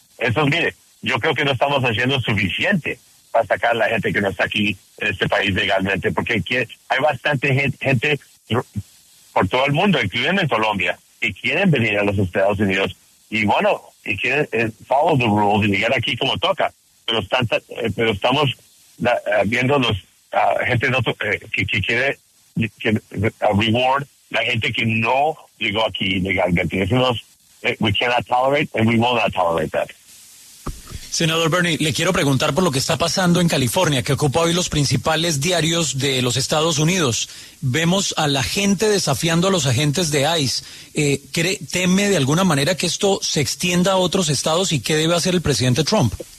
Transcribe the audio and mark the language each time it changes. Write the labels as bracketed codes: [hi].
[es] Eso, mire, yo creo que no estamos haciendo suficiente para sacar a la gente que no está aquí en este país legalmente, porque hay bastante gente por todo el mundo, incluyendo en Colombia, que quieren venir a los Estados Unidos y quieren [en] follow the rules [es] y llegar aquí como toca, pero estamos viendo gente que quiere reward la gente que no llegó aquí legalmente. [en] We cannot tolerate and we will not tolerate that. [es] Senador Bernie, le quiero preguntar por lo que está pasando en California, que ocupa hoy los principales diarios de los Estados Unidos. Vemos a la gente desafiando a los agentes de ICE. ¿Teme de alguna manera que esto se extienda a otros estados, y qué debe hacer el presidente Trump?